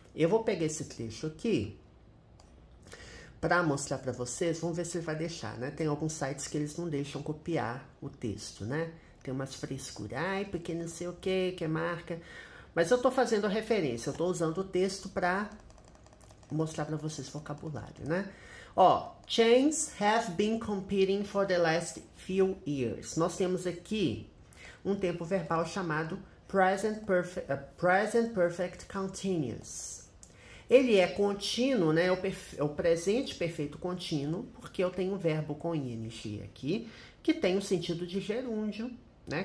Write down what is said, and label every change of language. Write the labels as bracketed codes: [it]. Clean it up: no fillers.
[pt] Eu vou pegar esse trecho aqui. Para mostrar para vocês, vamos ver se ele vai deixar, né? Tem alguns sites que eles não deixam copiar o texto, né? Tem umas frescuras, ai, porque não sei o que, que é marca. Mas eu estou fazendo a referência, eu estou usando o texto para mostrar para vocês o vocabulário, né? [en] Ó, chains have been competing for the last few years. [pt] Nós temos aqui um tempo verbal chamado present perfect continuous. Ele é contínuo, né? É o presente perfeito contínuo, porque eu tenho um verbo com ing aqui, que tem o sentido de gerúndio, né?